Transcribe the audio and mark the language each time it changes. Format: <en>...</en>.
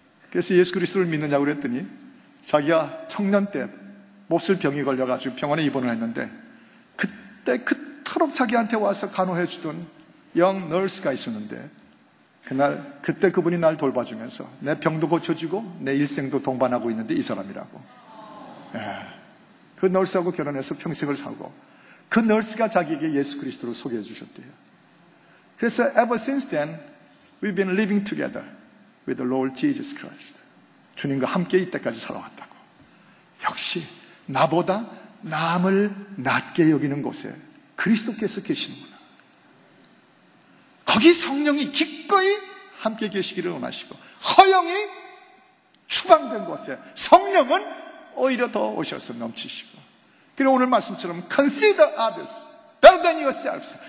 <ko>그래서 예수 그리스도를 믿느냐고 그랬더니 자기가 청년 때 몹쓸 병이 걸려가지고 병원에 입원을 했는데 그때 그토록 자기한테 와서 간호해 주던 영 널스가 있었는데 그날 그때 그분이 날 돌봐주면서 내 병도 고쳐주고 내 일생도 동반하고 있는데 이 사람이라고. 예. 그 널스하고 결혼해서 평생을 살고 그 널스가 자기에게 예수 그리스도를 소개해 주셨대요.</ko> <en>그래서 ever since then we've been living together with the Lord Jesus Christ.</en> <ko>주님과 함께 이때까지 살아왔다고. 역시 나보다 남을 낮게 여기는 곳에 그리스도께서 계시는구나. 거기 성령이 기꺼이 함께 계시기를 원하시고 허영이 추방된 곳에 성령은 오히려 더 오셔서 넘치시고 그리고 오늘 말씀처럼</ko> <en>Consider others better than yourselves.</en>